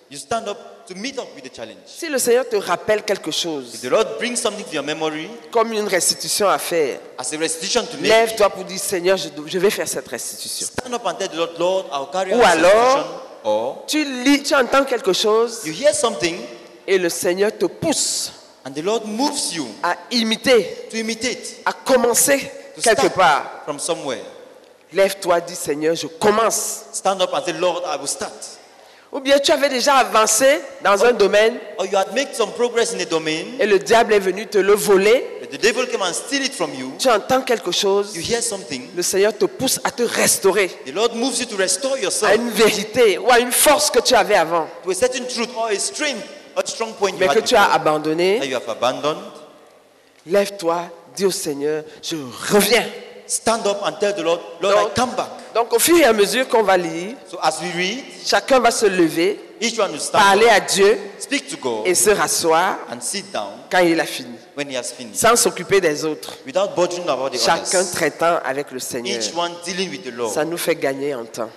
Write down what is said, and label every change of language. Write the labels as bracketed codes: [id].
[en] You stand up to meet up with the challenge. [fr] Si le Seigneur te rappelle quelque chose, [en] if the Lord brings something to your memory, [fr] comme une restitution à faire, [en] as a restitution to make, [fr] lève-toi pour dire, Seigneur, je vais faire cette restitution. [en] Stand up and tell the Lord, Lord, I'll carry out this restitution. Or, [fr] tu lis, tu entends quelque chose, [en] you hear something, [fr] et le Seigneur te pousse, [en] and the Lord moves you, [fr] à imiter, [en] to imitate, [fr] à commencer [en] to [fr] quelque part, [en] from somewhere. [fr] Lève-toi, dis Seigneur, je commence. [en] Stand up and say, Lord, I will start. [fr] Ou bien tu avais déjà avancé dans un domaine, [en] or you had made some progress in a domain, [fr] et le diable est venu te le voler. [en] The devil came and steal it from you. [fr] Tu entends quelque chose. [en] You hear something. [fr] Le Seigneur te pousse à te restaurer. [en] The Lord moves you to restore yourself. [fr] À une vérité ou à une force que tu avais avant. [en] To a certain truth or a strength, a strong point. [fr] Mais [en] you [fr] que [en] had [fr] tu as abandonné. [en] That you have abandoned. [fr] Lève-toi, dis au Seigneur, je reviens. [en] Stand up and tell the Lord, Lord, donc, I come back. [fr] Donc au fur et à mesure qu'on va lire, [en] so as we read, [fr] chacun va se lever, [en] each one will stand, [fr] parler [en] up, [fr] à Dieu, [en] speak to God, [fr] et se rasseoir, [en] and sit down, [fr] quand il a fini, [en] when he has finished, [fr] sans s'occuper des autres, [en] without bothering about the [fr] chacun [en] others, [fr] traitant avec le Seigneur, [en] each one dealing with the Lord, [fr] ça nous fait gagner en temps.